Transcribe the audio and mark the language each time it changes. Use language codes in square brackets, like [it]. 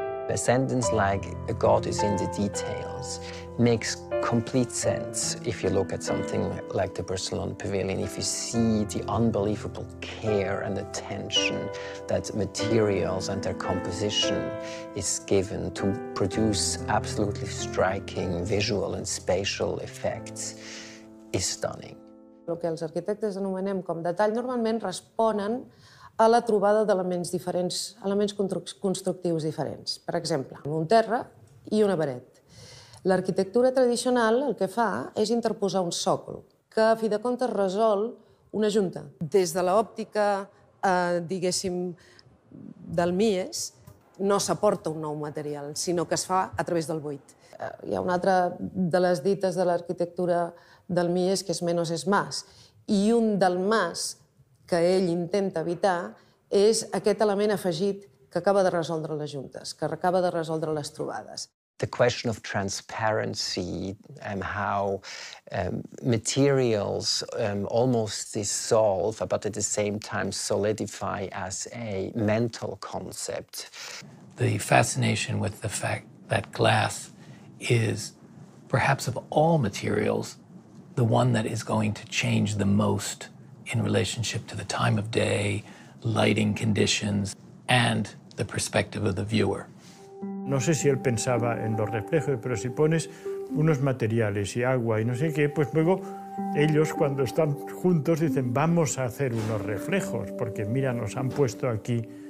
[en] A sentence like "a god is in the details" makes complete sense if you look at something like the Barcelona Pavilion, if you see the unbelievable care and attention that materials and their composition is given to produce absolutely striking visual and spatial effects, is stunning. [ca] El que els arquitectes anomenem com detall normalment responen a la trobada d'elements diferents, elements constructius diferents. Per exemple, un terra i una paret. L'arquitectura tradicional el que fa és interposar un sòcol que, a fi de comptes, resol una junta. Des de l'òptica, diguéssim, del Mies, no s'aporta un nou material, sinó que es fa a través del buit. Hi ha una altra de les dites de l'arquitectura del Mies, que és [es] menos és más, [ca] i un del más que ell intenta evitar és aquest element afegit que acaba de resoldre les juntes, que acaba de resoldre les trobades. [en] The question of transparency and how materials almost dissolve but at the same time solidify as a mental concept. The fascination with the fact that glass is perhaps of all materials the one that is going to change the most in relationship to the time of day, lighting conditions, and the perspective of the viewer. [es] No sé si él pensaba en los reflejos, pero si pones unos materiales y agua y no sé qué, pues luego ellos cuando están juntos dicen, vamos a hacer unos reflejos, porque mira, nos han puesto aquí.